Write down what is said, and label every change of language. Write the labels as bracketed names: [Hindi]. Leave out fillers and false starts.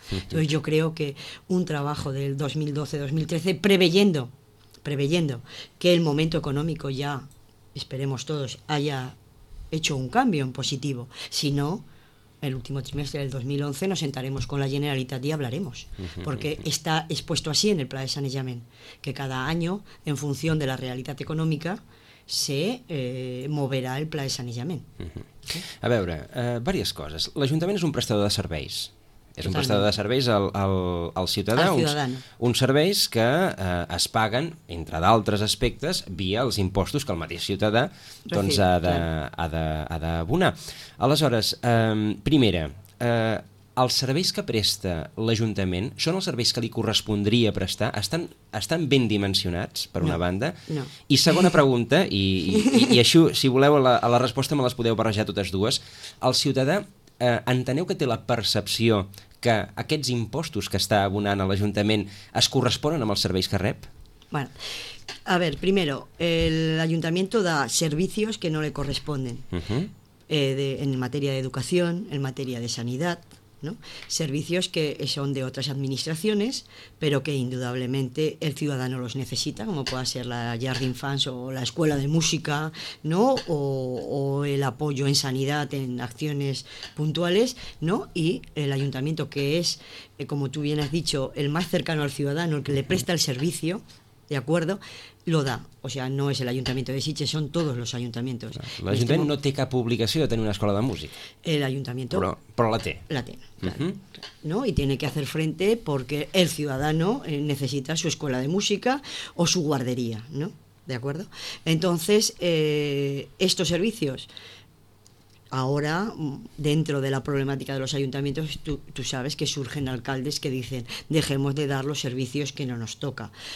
[Spanish] Entonces yo creo que un trabajo del 2012-2013, preveyendo que el momento económico ya, esperemos todos, haya hecho un cambio en positivo, si no, el último trimestre del 2011 nos sentaremos con la Generalitat y hablaremos, porque está expuesto así en el Pla de Sanejament, que cada año, en función de la [Catalan] realitat econòmica, se moverà el pla de sanejament. A veure, diverses coses. L'Ajuntament és un prestador de serveis. És un prestador de serveis al ciutadà, uns serveis que es paguen, entre d'altres aspectes, via els impostos que el mateix ciutadà doncs, ha d'abonar. Aleshores, primera, els serveis que presta l'Ajuntament són els serveis que li correspondria prestar? Estan ben dimensionats, per una banda? No. I segona pregunta, i això, si voleu, a la resposta me les podeu barrejar totes dues, el ciutadà enteneu que té la percepció que aquests impostos que està abonant a l'Ajuntament es corresponen amb els serveis que rep? [Spanish] Bueno, a ver, primero, el Ayuntamiento da servicios que no le corresponden, en materia de educación, en materia de sanidad, ¿no? Servicios que son de otras administraciones, pero que indudablemente el ciudadano los necesita, como pueda ser la Jardín Infants o la Escuela de Música, ¿no? O el apoyo en sanidad, en acciones puntuales, ¿no? Y el ayuntamiento, que es, como tú bien has dicho, el más cercano al ciudadano, el que le presta el servicio, ¿de acuerdo? Lo da. O sea, no es el Ayuntamiento de Sitges, son todos los ayuntamientos. [Catalan] L'Ajuntament no té cap obligació de tenir una escola de música. [Spanish] El Ayuntamiento... [Catalan] Però la té. La té, [Spanish] claro. ¿No? Y tiene que hacer frente porque el ciudadano necesita su escuela de música o su guardería, ¿no? ¿De acuerdo? Entonces, estos servicios... Ahora, dentro de la problemática de los ayuntamientos, tú sabes que surgen alcaldes que dicen dejemos de dar los servicios que no nos toca.